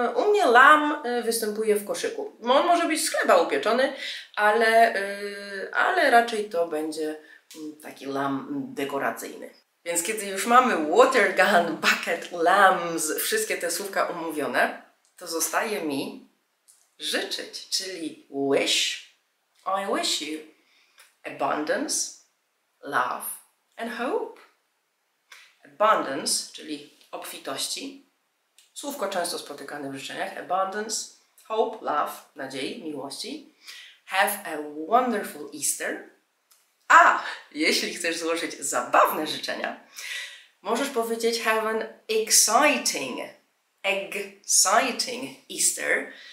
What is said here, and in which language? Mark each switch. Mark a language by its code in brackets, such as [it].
[pl] U mnie lamb występuje w koszyku. On może być z chleba upieczony, ale raczej to będzie taki lamb dekoracyjny. Więc kiedy już mamy water gun, bucket, lambs, wszystkie te słówka omówione, to zostaje mi życzyć, czyli wish. [en] I wish you abundance, love and hope. [pl] Abundance, czyli obfitości. Słówko często spotykane w życzeniach. [en] Abundance, hope, love, [pl] nadziei, miłości. [en] Have a wonderful Easter. [pl] A jeśli chcesz złożyć zabawne życzenia, możesz powiedzieć [en] have an exciting, exciting Easter.